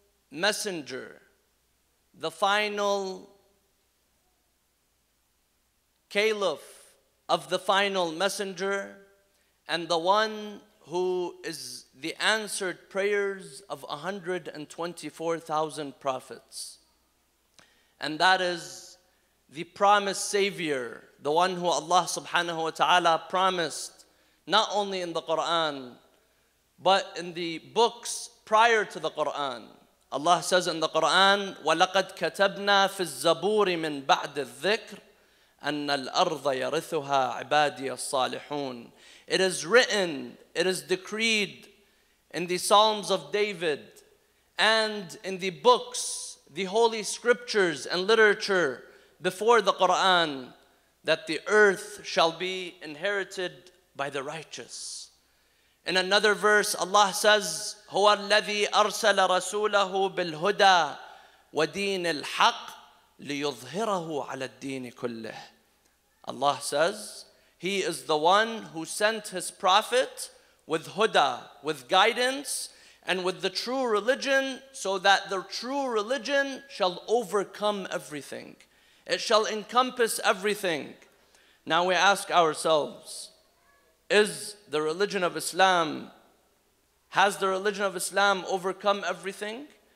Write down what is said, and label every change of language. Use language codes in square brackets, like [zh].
[en] messenger, the final caliph of the final messenger, and the one who is the answered prayers of 124,000 prophets. And that is the promised savior, the one who Allah subhanahu wa ta'ala promised, not only in the Quran, but in the books prior to the Quran. Allah says in the Quran, [ar] وَلَقَدْ كَتَبْنَا فِي الزَّبُورِ مِنْ بَعْدِ الذِّكْرِ أَنَّ الْأَرْضَ يَرِثُهَا عِبَادِيَ الصَّالِحُونَ. [en] It is written, it is decreed in the Psalms of David and in the books, the holy scriptures and literature before the Quran, that the earth shall be inherited by the righteous. In another verse, Allah says, [ar] هُوَ الَّذِي أَرْسَلَ رَسُولَهُ بِالْهُدَى وَدِينِ الْحَقِّ لِيُظْهِرَهُ عَلَى الدِّينِ كُلِّهِ. [en] Allah says, He is the one who sent His prophet with huda, with guidance, and with the true religion, so that the true religion shall overcome everything. It shall encompass everything. Now we ask ourselves, is the religion of Islam, has the religion of Islam overcome everything?